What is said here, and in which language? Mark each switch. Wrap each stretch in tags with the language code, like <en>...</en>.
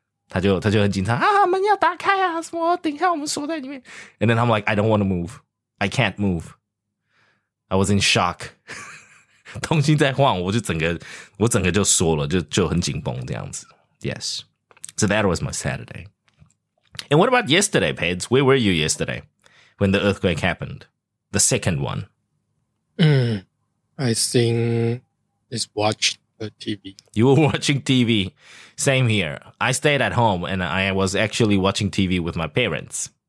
<zh>他就很紧张啊，门要打开啊，什么？等一下，我们锁在里面。</zh> <en>And then I'm like, I don't want to move, I can't move. I was in shock.</en> <zh>东西在晃，我就整个就缩了，就很紧绷这样子。</zh> <en>Yes, so that was my Saturday. And what about yesterday, Peds? Where were you yesterday when the earthquake happened, the second one? I think it's watched. TV. You were watching TV. Same here. I stayed at home and I was actually watching TV with my parents.</en>